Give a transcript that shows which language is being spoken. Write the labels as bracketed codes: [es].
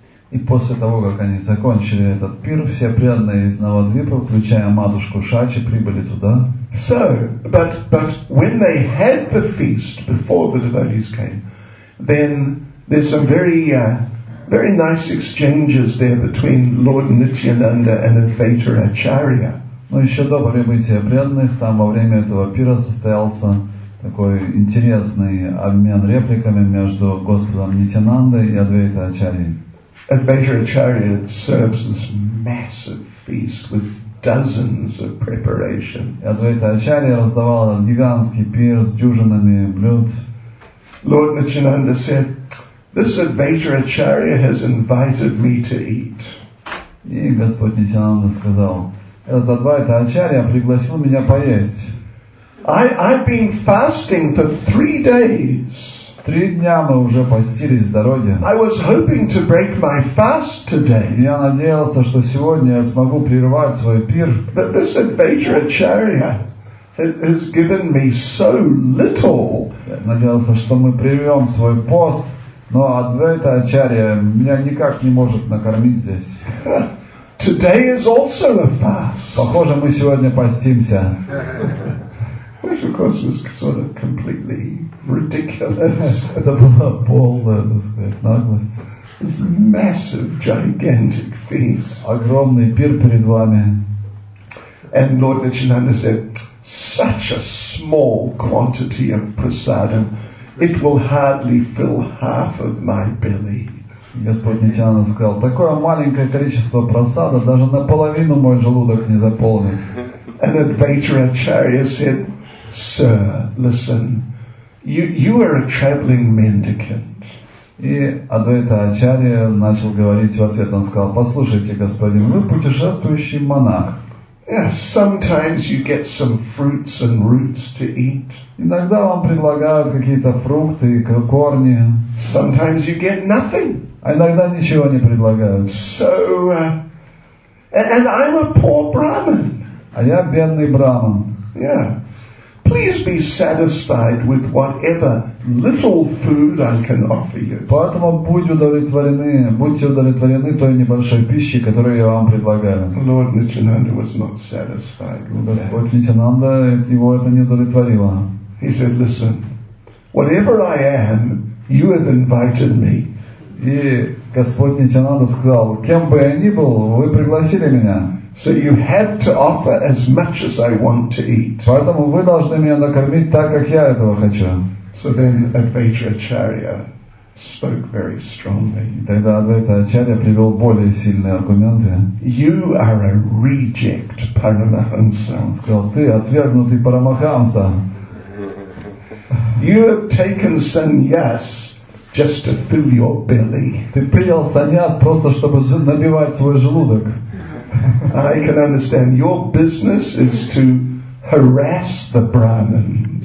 [ru] И после того, как они закончили этот пир, все преданные из Навадвипа, включая матушку Шачи, прибыли туда. [en] So, but when they had the feast before the devotees came, then there's some very nice exchanges there between Lord Nityananda and Advaita Acharya. [ru] Но еще до прибытия преданных там во время этого пира состоялся такой интересный обмен репликами между Господом Нитьянандой и Адвайта Ачарьей. [en] Advaita Acharya serves this massive feast with dozens of preparations. [ru] Advaita Acharya раздавал гигантский пир с дюжинами блюд. [en] Lord Nityananda said, "This Advaita Acharya has invited me to eat." [ru] И Господь Нитьянанда сказал, этот Адвайта Ачарья пригласил меня поесть. [en] I've been fasting for 3 days. [ru] 3 дня мы уже постились в дороге. [en] I was hoping to break my fast today. [ru] Я надеялся, что сегодня я смогу прервать свой пир. [en] But this Advaita Acharya has given me so little. [ru] Я надеялся, что мы прервем свой пост, но Адвайта Ачарья меня никак не может накормить здесь. [en] Today is also a fast. [ru] Похоже, мы сегодня постимся. [en] Which of course was sort of completely ridiculous. [ru] Это была полная, так сказать, наглость. [en] This massive, gigantic feast. [ru] Огромный пир перед вами. [en] And Lord Nityananda said, such a small quantity of prasadam, it will hardly fill half of my belly. [ru] Господь Нитьянанда сказал, такое маленькое количество прасада даже наполовину мой желудок не заполнит. [en] And Advaita Acharya said, sir, listen, you are a traveling mendicant. [ru] И Адвайта Ачарья начал говорить в ответ, он сказал, послушайте, господин, вы путешествующий монах. [en] Yeah, sometimes you get some fruits and roots to eat. [ru] Иногда вам предлагают какие-то фрукты и корни. [en] Sometimes you get nothing. [ru] А иногда ничего не предлагают. [en] So, and I'm a poor Brahmin. [ru] А я бедный Брахман. [en] Yeah. Please be satisfied with whatever little food I can offer you. [ru] Поэтому будьте удовлетворены той небольшой пищей, которую я вам предлагаю. [en] Lord Nityananda was not satisfied with that. [ru] Господь Нитьянанда, его это не удовлетворило. [en] He said, listen, whatever I am, you have invited me. [ru] И Господь Нитьянанда сказал, кем бы я ни был, вы пригласили меня. [en] So you have to offer as much as I want to eat. [ru] Поэтому вы должны меня накормить так, как я этого хочу. [en] So then Advaita Acharya spoke very strongly. [ru] Тогда Адвайта Ачарья привел более сильные аргументы. [en] You are a reject Paramahamsa. [ru] Он сказал, ты отвергнутый Парамахамса. [en] You have taken sannyas just to fill your belly. [ru] Ты принял саньяс просто чтобы набивать свой желудок. [en] I can understand your business is to harass the brahmins.